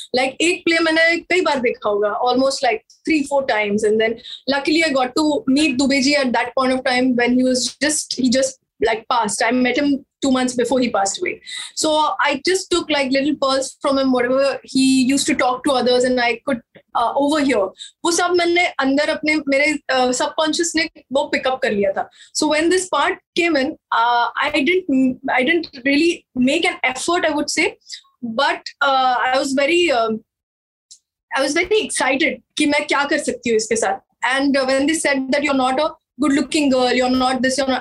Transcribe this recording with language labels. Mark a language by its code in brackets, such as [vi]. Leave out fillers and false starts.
[en] Like, [hi] ek play maine kai baar dekha hoga, [en] almost like 3, 4 times. And then luckily I got to meet Dubeji at that point of time when he was just, he just like passed. I met him 2 months before he passed away. So I just took like little pearls from him, whatever he used to talk to others, and I could overhear. [hi] वो सब मैंने अंदर अपने मेरे subconscious ने वो [en] pick up [hi] कर लिया था. [en] So when this part came in, I didn't really make an effort, I would say, but I was very excited [hi] कि मैं क्या कर सकती हूँ इसके साथ. [en] And when they said that you're not a good-looking girl, you're not this, you're not...